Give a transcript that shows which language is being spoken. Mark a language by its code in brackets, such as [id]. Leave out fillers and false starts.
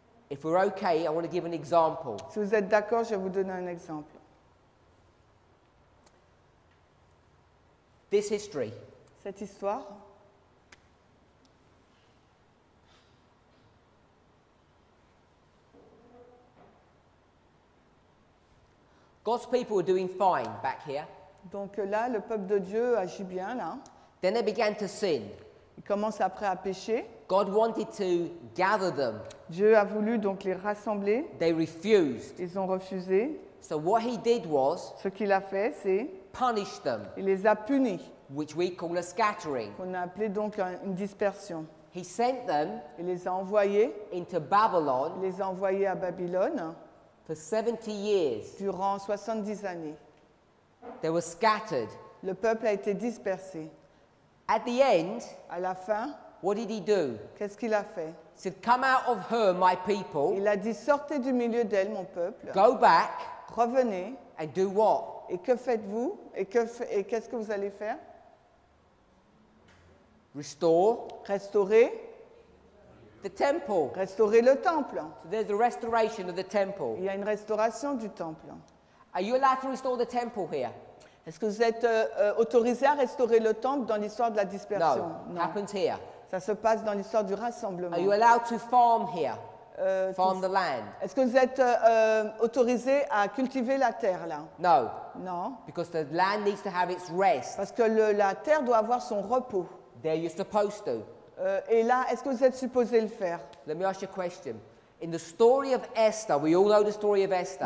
[en] If we're okay, I want to give an example. [fr] Si vous êtes d'accord, je vais vous donner un exemple. [en] This history. [fr] Cette histoire. [en] God's people were doing fine back here. [fr] Donc là, le peuple de Dieu agit bien là. [en] Then they began to sin. [fr] Ils commencent après à pécher. [en] God wanted to gather them. [fr] Dieu a voulu donc les rassembler. [en] They refused. [fr] Ils ont refusé. [en] So what he did was, [fr] ce qu'il a fait, c'est [en] punish them. [fr] Il les a punis. [en] Which we call a scattering. [fr] On a appelé donc une dispersion. [en] He sent them. [fr] Il les a envoyés [en] into Babylon. [fr] Il les a envoyés à Babylone. [en] For 70 years. [fr] Durant 70 années. [en] They were scattered. [fr] Le peuple a été dispersé. [en] At the end, [fr] à la fin, [en] what did he do? [fr] Qu'est-ce qu'il a fait? [en] He said, "Come out of her, my people." [fr] Il a dit, sortez du milieu d'elle, mon peuple. [en] Go back. [fr] Revenez. [en] And do what? [fr] Et que faites-vous? Et qu'est-ce que vous allez faire? [en] Restore. [fr] Restaurer. [en] The temple. [fr] Restaurer le temple. [en] So there's a restoration of the temple. [fr] Il y a une restauration du temple. [en] Are you allowed to restore the temple here? [fr] Est-ce que vous êtes autorisé à restaurer le temple dans l'histoire de la dispersion? [en] No, non. Happens here. [fr] Ça se passe dans l'histoire du rassemblement. [en] Are you allowed to farm here? Farm the land. [fr] Est-ce que vous êtes autorisé à cultiver la terre là? [en] No. [fr] Non. [en] Because the land needs to have its rest. [fr] Parce que la terre doit avoir son repos. [en] There you're supposed to. [fr] Et là, est-ce que vous êtes supposé le faire? [en] Let me ask you a question. In the story of Esther, we all know the story of Esther.